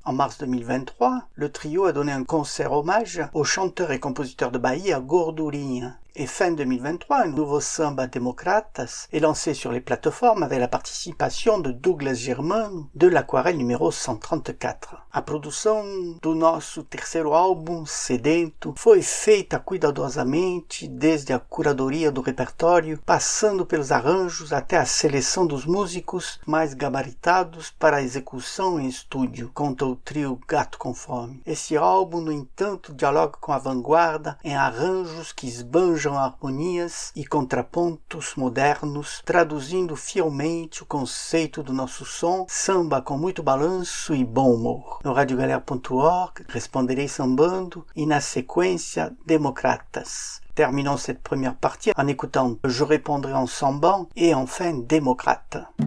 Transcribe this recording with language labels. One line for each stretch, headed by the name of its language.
French: En mars 2023, le trio a donné un concert hommage au chanteur et compositeur de Bahia, Gordurinha. Et fin 2023, un nouveau samba Democratas est lancé sur les plateformes avec la participation de Douglas Germain de l'Aquarelle numéro 134.
Portuguese: A produção do nosso terceiro álbum, Sedento, foi feita cuidadosamente, desde a curadoria do repertório, passando pelos arranjos até a seleção dos músicos mais gabaritados para a execução em estúdio, conta o trio Gato Conforme. Esse álbum, no entanto, dialoga com a vanguarda em arranjos que esbanjam surjam harmonias e contrapontos modernos, traduzindo fielmente o conceito do nosso som, samba com muito balanço e bom humor. No radiogalera.org responderei sambando e na sequência Democratas.
French: Terminons cette première partie en écoutant Je répondrai en sambant et enfin Démocrate.